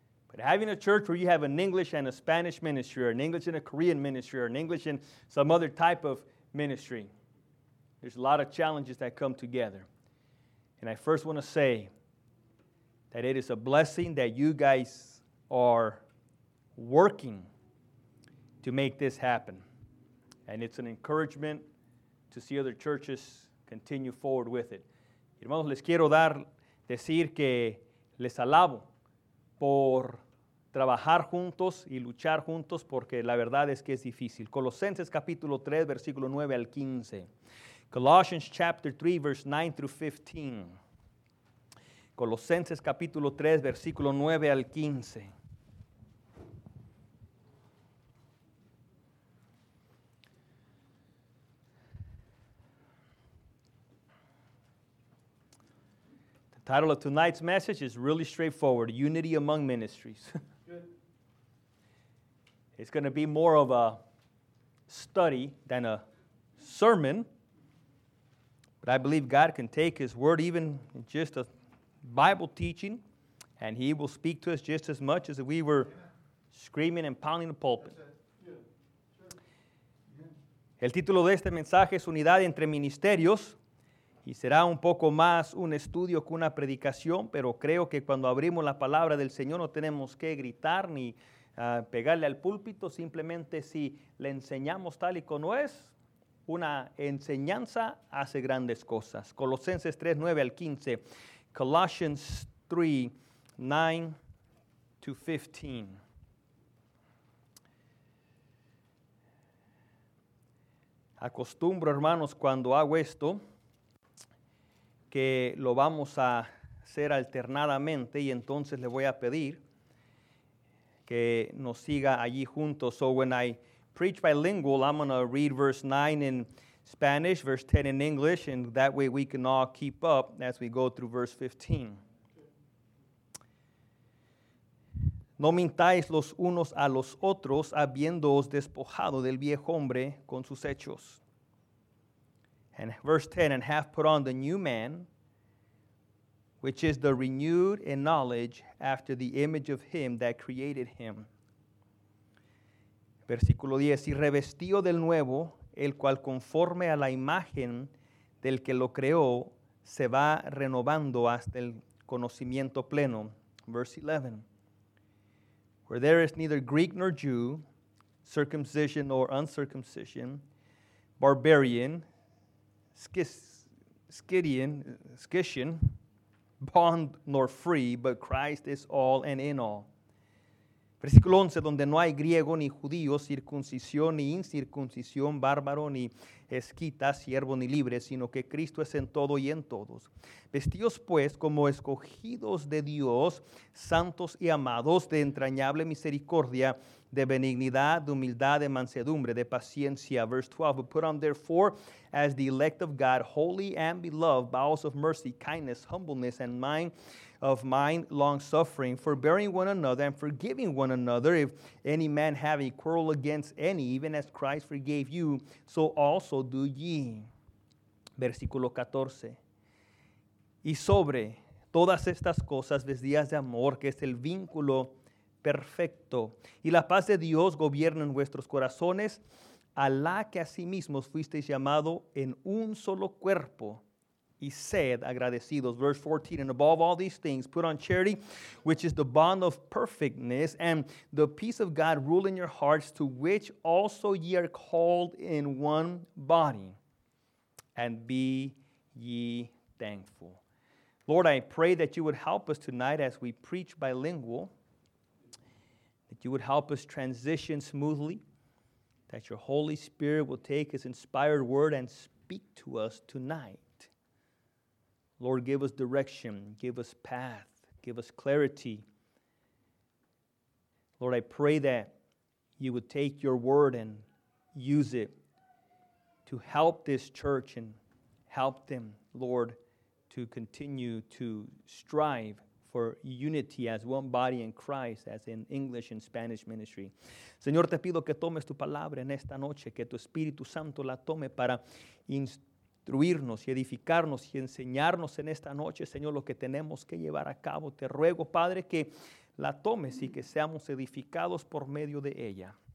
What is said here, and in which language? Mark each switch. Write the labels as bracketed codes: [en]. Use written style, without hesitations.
[en] But having a church where you have an English and a Spanish ministry, or an English and a Korean ministry, or an English and some other type of ministry, there's a lot of challenges that come together. And I first want to say that it is a blessing that you guys are working to make this happen. And it's an encouragement to see other churches continue forward with it. [es] Hermanos, les quiero decir que les alabo por trabajar juntos y luchar juntos, porque la verdad es que es difícil. Colosenses capítulo 3, versículo 9 al 15. [en] Colossians chapter 3, verse 9 through 15. [es] Colosenses capítulo 3, versículo 9 al 15. [en] Title of tonight's message is really straightforward, Unity Among Ministries. Good. It's going to be more of a study than a sermon, but I believe God can take His Word, even just a Bible teaching, and He will speak to us just as much as if we were screaming and pounding the pulpit. Sure. [es] El título de este mensaje es Unidad Entre Ministerios. Y será un poco más un estudio que una predicación, pero creo que cuando abrimos la palabra del Señor no tenemos que gritar ni pegarle al púlpito. Simplemente si le enseñamos tal y como es, una enseñanza hace grandes cosas. Colosenses 3, 9 al 15. [en] Colossians 3, 9 to 15. [es] Acostumbro, hermanos, cuando hago esto, que lo vamos a hacer alternadamente, y entonces le voy a pedir que nos siga allí juntos. [en] So when I preach bilingual, I'm going to read verse 9 in Spanish, verse 10 in English, and that way we can all keep up as we go through verse 15. [es] No mintáis los unos a los otros, habiéndoos despojado del viejo hombre con sus hechos. [en] And verse 10, and have put on the new man, which is the renewed in knowledge after the image of him that created him. [es] Versículo 10, y revestido del nuevo, el cual conforme a la imagen del que lo creó, se va renovando hasta el conocimiento pleno. [en] Verse 11, where there is neither Greek nor Jew, circumcision nor uncircumcision, barbarian, Scythian, bond nor free, but Christ is all and in all. [es] Versículo 11, donde no hay griego ni judío, circuncisión ni incircuncisión, bárbaro ni esquita, siervo ni libre, sino que Cristo es en todo y en todos. Vestíos pues como escogidos de Dios, santos y amados, de entrañable misericordia, de benignidad, de humildad, de mansedumbre, de paciencia. [en] Verse 12, put on therefore as the elect of God, holy and beloved, bowels of mercy, kindness, humbleness, and mind of mind, long-suffering, forbearing one another and forgiving one another. If any man have a quarrel against any, even as Christ forgave you, so also do ye. [es] Versículo 14, y sobre todas estas cosas vestidas de amor, que es el vínculo perfecto. Y la paz de Dios gobierna en vuestros corazones, a la que asimismo fuisteis llamado en un solo cuerpo, y sed agradecidos. [en] Verse 14, and above all these things, put on charity, which is the bond of perfectness, and the peace of God rule in your hearts, to which also ye are called in one body, and be ye thankful. Lord, I pray that you would help us tonight as we preach bilingual, that you would help us transition smoothly, that your Holy Spirit will take his inspired word and speak to us tonight. Lord, give us direction, give us path, give us clarity. Lord, I pray that you would take your word and use it to help this church and help them, Lord, to continue to strive for for unity as one body in Christ, as in English and Spanish ministry. [es] Señor, te pido que tomes tu palabra en esta noche, que tu Espíritu Santo la tome para instruirnos y edificarnos y enseñarnos en esta noche, Señor, lo que tenemos que llevar a cabo. Te ruego, Padre, que la tomes y que seamos edificados por medio de ella.